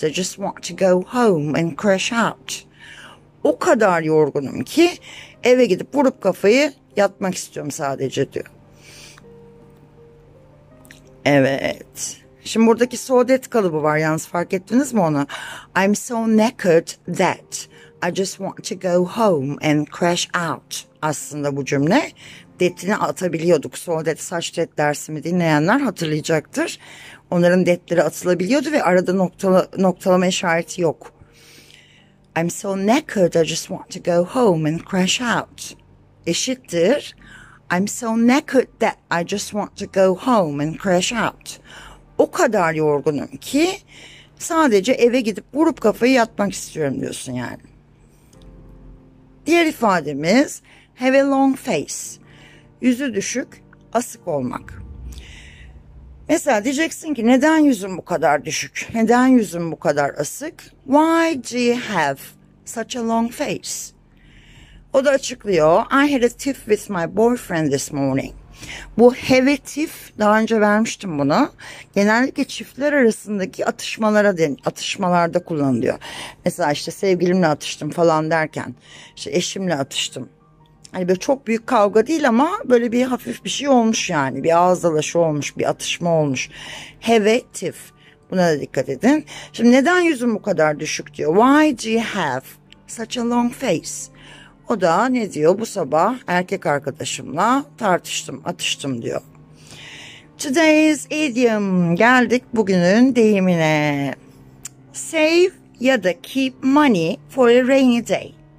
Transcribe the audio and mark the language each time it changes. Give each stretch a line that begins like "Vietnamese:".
English: I just want to go home and crash out.
Turkish: O kadar yorgunum ki eve gidip vurup kafayı yatmak istiyorum sadece diyor. Evet. Şimdi buradaki so that kalıbı var. Yalnız fark ettiniz mi onu?
English: I'm so knackered that. I just want to go home and crash out.
Turkish: Aslında bu cümle detini atabiliyorduk. So that such that dersimi dinleyenler hatırlayacaktır. Onların detleri atılabiliyordu ve arada noktalama işareti yok.
English: I'm so knackered I just want to go home and crash out.
Turkish: Eşittir.
English: I'm so knackered that I just want to go home and crash out.
Turkish: O kadar yorgunum ki sadece eve gidip vurup kafayı yatmak istiyorum diyorsun yani. Diğer ifademiz have a long face. Yüzü düşük, asık olmak. Mesela diyeceksin ki neden yüzün bu kadar düşük? Neden yüzün bu kadar asık?
English: Why do you have such a long face.
Turkish: O da açıklıyor.
English: I had a tiff with my boyfriend this morning.
Turkish: Bu have a tiff, daha önce vermiştim bunu. Genellikle çiftler arasındaki atışmalarda kullanılıyor. Mesela işte sevgilimle atıştım falan derken, işte eşimle atıştım. Hani böyle çok büyük kavga değil ama böyle bir hafif bir şey olmuş yani. Bir ağızdalaşı olmuş, bir atışma olmuş. Have a tiff. Buna da dikkat edin. Şimdi neden yüzün bu kadar düşük diyor.
English: Why do you have such a long face?
Turkish: O da ne diyor? Bu sabah erkek arkadaşımla tartıştım, atıştım diyor.
English: Today's idiom.
Turkish: Geldik bugünün deyimine.
English: Save ya da keep money for a rainy day.